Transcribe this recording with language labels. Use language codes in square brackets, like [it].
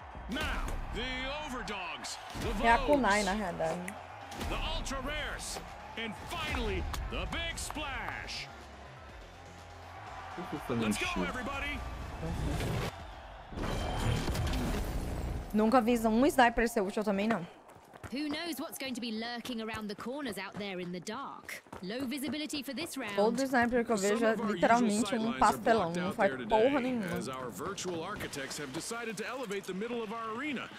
[en] Now, the overdogs, the Vols, [pt] é a kunai, na realidade. [en] The ultra rares, and finally, the big splash. Let's go, everybody! [pt] Nunca vi um sniper ser útil também, não. [en] Who knows what's going to be lurking around the corners out there in the dark? Low visibility for this round. [pt] Todo sniper que eu vejo é literalmente um pastelão, não faz porra nenhuma. [en] As our virtual architects have decided to elevate the middle of our arena.